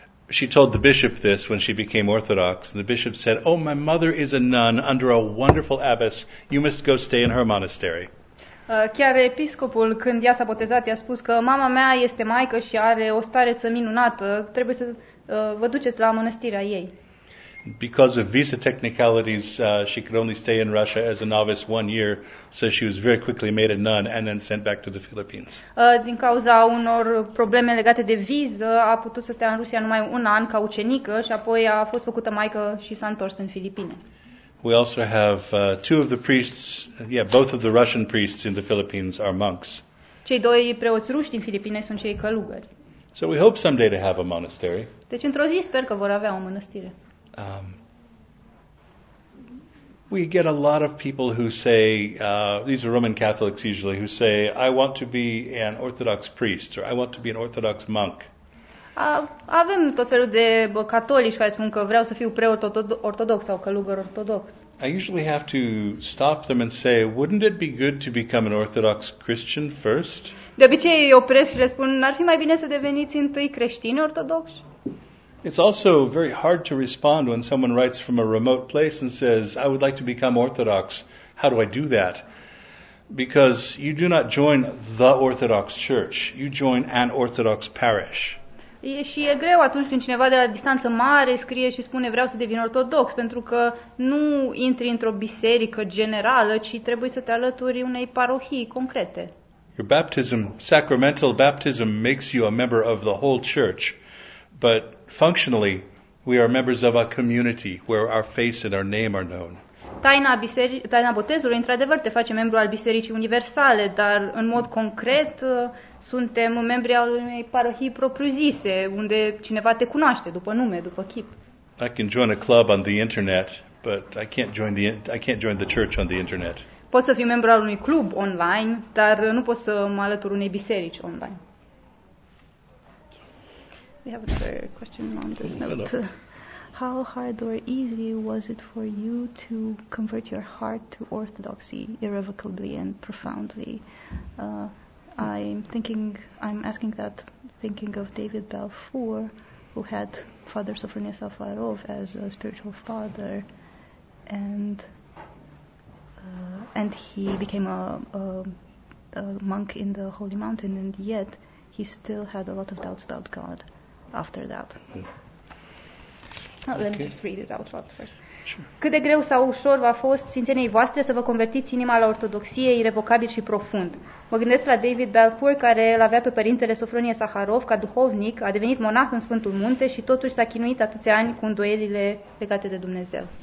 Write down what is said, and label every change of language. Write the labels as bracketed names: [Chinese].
[English] She told the bishop this when she became Orthodox, and the bishop said, "Oh, my mother is a nun under a wonderful abbess. You must go stay in her monastery." [Romanian] Chiar episcopul, când ea s-a botezat, i-a spus că mama mea este maică și are o stareță minunată, trebuie să vă duceți la mănăstirea ei. [English] Because of visa technicalities, she could only stay in Russia as a novice 1 year, so she was very quickly made a nun and then sent back to the Philippines. [Romanian] Din cauza unor probleme legate de viză, a putut să stea în Rusia numai un an ca ucenică și apoi a fost făcută maică și s-a întors în Filipine. [English] We also have two of the priests, both of the Russian priests in the Philippines are monks. [Romanian] Cei doi preoți ruși din Filipine sunt cei călugări. [English] So we hope someday to have a monastery. [Romanian] Deci într-o zi sper că vor avea o mănăstire. [English] We get a lot of people who say, these are Roman Catholics usually, who say, I want to be an Orthodox priest or I want to be an Orthodox monk. [Romanian] Avem tot felul de catolici care spun că vreau să fiu preot ortodox sau călugăr ortodox. [English] I usually have to stop them and say, wouldn't it be good to become an Orthodox Christian first? [Romanian] De obicei îi opresc și le spun, n-ar fi mai bine să deveniți întâi creștini ortodoxi? [English] It's also very hard to respond when someone writes from a remote place and says, I would like to become Orthodox. How do I do that? Because you do not join the Orthodox Church, you join an Orthodox parish. [Romanian] Și e greu atunci când cineva de la distanță mare scrie și spune vreau să devin ortodox, pentru că nu intri într-o biserică generală, ci trebuie să te alături unei parohii concrete. [English] Your baptism, sacramental baptism, makes you a member of the whole church, but functionally we are members of a community where our face and our name are known. [Romanian] Taina botezului, într-adevăr, te face membru al Bisericii Universale, dar în mod concret suntem membri al unei parohii propriu-zise, unde cineva te cunoaște după nume, după chip. [English] I can join a club on the internet, but I can't join the church on the internet. [Romanian] Pot să fiu membru al unui club online, dar nu pot să mă alătur unei biserici online. [English] We have a question on this note. How hard or easy was it for you to convert your heart to Orthodoxy irrevocably and profoundly? I'm asking of David Balfour, who had Father Sofronie Safarov as a spiritual father, and he became a monk in the Holy Mountain, and yet he still had a lot of doubts about God after that. Let me just read it out loud first. Sure. [Romanian] Cât de greu sau ușor v-a fost, Sfințeniei voastre, să vă convertiți inima la ortodoxie irevocabil și profund? Mă gândesc la David Balfour, care îl avea pe părintele Sofronie Safarov ca duhovnic, a devenit monah în Sfântul Munte și totuși s-a chinuit atâția ani cu îndoielile legate de Dumnezeu.